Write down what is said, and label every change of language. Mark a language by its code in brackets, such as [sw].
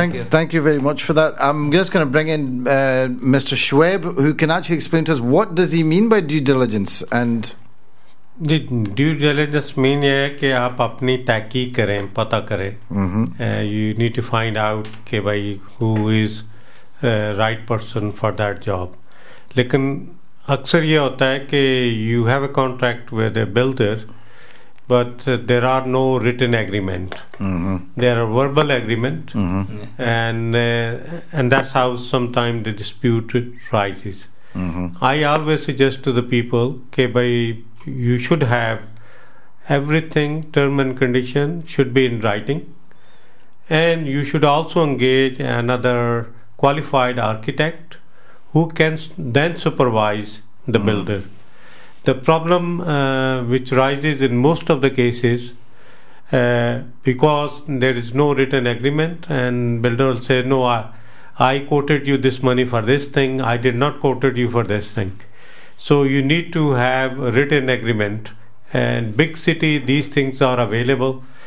[en] Thank you very much for that. I'm just going to bring in Mr. Shweb, who can actually explain to us what does he mean by due diligence and... due diligence [ur] مین یہ ہے کہ آپ اپنی تحقیق کریں پتہ کریں [en] you need to find out [ur] کہ بھائی [en] who is right person for that job [ur] لیکن اکثر یہ ہوتا ہے کہ [en] you have a contract with a builder but there are no written agreement there are verbal agreement and that's how some time the dispute rises I always suggest to the people [ur] کہ بھائی [en] you should have everything, term and condition should be in writing, and you should also engage another qualified architect who can then supervise the builder. The problem which rises in most of the cases because there is no written agreement, and builder will say, no, I quoted you this money for this thing, I did not quoted you for this thing. So you need to have a written agreement. And big city, these things are available.